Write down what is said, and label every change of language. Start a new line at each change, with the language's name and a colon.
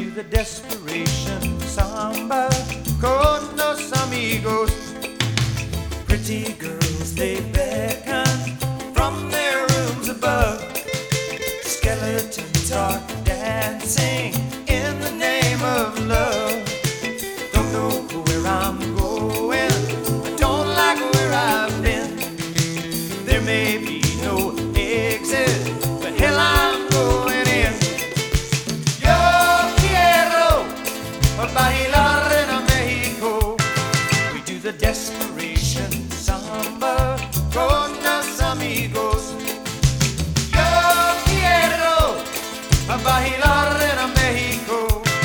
English: Desperation
Spanish: samba con los amigos.
English: Pretty girls, they beckon from their rooms above. Skeletons are dancing in the name of love. Don't know where I'm going, I don't like where I've been. There may be no exit, but hell, I'm going in.
Spanish: Yo quiero bailar en México.
English: We do the desperation samba
Spanish: con los amigos. Yo quiero bailar en México.